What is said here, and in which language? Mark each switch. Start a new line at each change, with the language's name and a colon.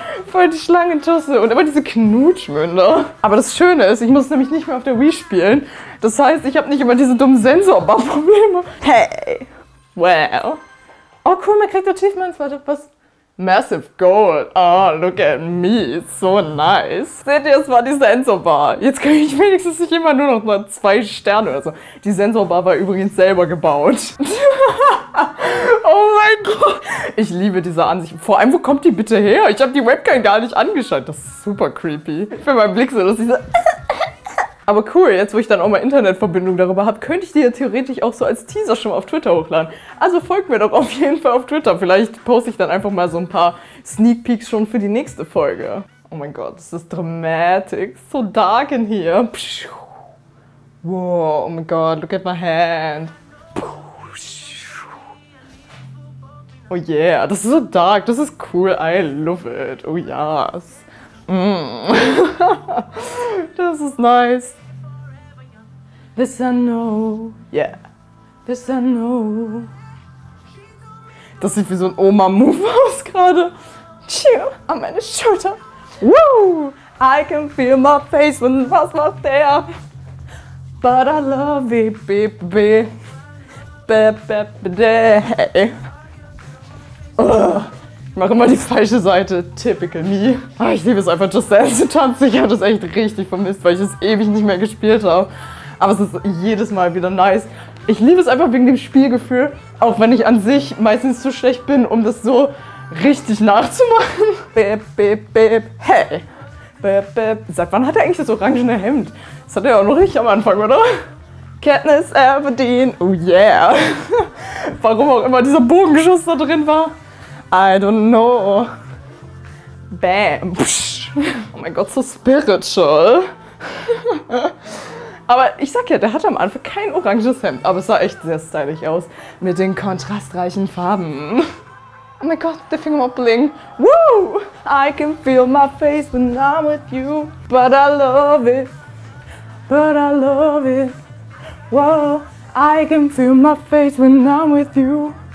German: Voll die Schlangentosse und immer diese Knutschmünder. Aber das Schöne ist, ich muss nämlich nicht mehr auf der Wii spielen. Das heißt, ich habe nicht immer diese dummen Sensorbar-Probleme. Hey. Well. Oh cool, man kriegt Achievements, warte, was?
English: Massive Gold, oh, look at me, so nice.
German: Seht ihr, es war die Sensorbar. Jetzt kann ich wenigstens nicht immer nur noch mal 2 Sterne oder so. Die Sensorbar war übrigens selber gebaut. Oh mein Gott, ich liebe diese Ansicht. Vor allem, wo kommt die bitte her? Ich habe die Webcam gar nicht angeschaut, das ist super creepy. Für meinen Blick so, dass ich so... Aber cool, jetzt wo ich dann auch mal Internetverbindung darüber habe, könnte ich die ja theoretisch auch so als Teaser schon mal auf Twitter hochladen. Also folgt mir doch auf jeden Fall auf Twitter. Vielleicht poste ich dann einfach mal so ein paar Sneak Peeks schon für die nächste Folge. Oh mein Gott, das ist dramatic.
English: So dark in hier.
German: Wow, oh mein Gott, look at my hand. Oh yeah, das ist so dark, das ist cool, I love it. Oh yes.
English: Das ist nice. This I know. Yeah. This I know.
German: Das sieht wie so ein Oma-Move aus gerade. Cheer an meine Schulter. Woo!
English: I can feel my face when was not there. But I love it, baby. Baby.
German: Ich mache immer die falsche Seite. Typical me. Ach, ich liebe es einfach, Just Dance zu tanzen. Ich habe das echt richtig vermisst, weil ich es ewig nicht mehr gespielt habe. Aber es ist jedes Mal wieder nice. Ich liebe es einfach wegen dem Spielgefühl. Auch wenn ich an sich meistens zu schlecht bin, um das so richtig nachzumachen. Beep, beep, beep. Hey. Beep, beep. Seit wann hat er eigentlich das orangene Hemd? Das hat er auch noch nicht am Anfang, oder? Katniss Everdeen. Oh yeah. Warum auch immer dieser Bogenschuss da drin war.
English: I don't know. Bam. Psch.
German: Oh mein Gott, so spiritual. Aber ich sag ja, der hatte am Anfang kein oranges Hemd, aber es sah echt sehr stylisch aus. Mit den kontrastreichen Farben. Oh mein Gott, der Finger mal bling. Woo!
English: I can feel my face when I'm with you. But I love it. But I love it. Whoa. I can feel my face when I'm with you.